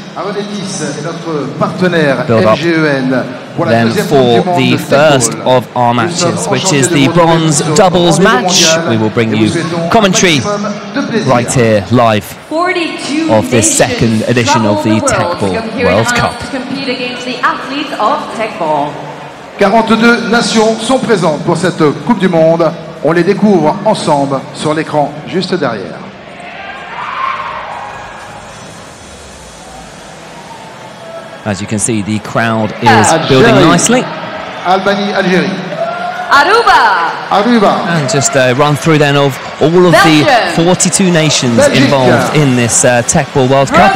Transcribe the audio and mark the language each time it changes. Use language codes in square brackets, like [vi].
[en] Build up then for the first of our matches, which is the bronze doubles match. We will bring you commentary right here live of this second edition of the Teqball World Cup. [fr] 42 nations sont présentes pour cette Coupe du Monde. On les découvre ensemble sur l'écran juste derrière. [en] As you can see, the crowd is building nicely. [fr] Albanie, Algérie. Aruba. Aruba. [en] And just a run through then of all of the 42 nations involved in this Teqball World Cup.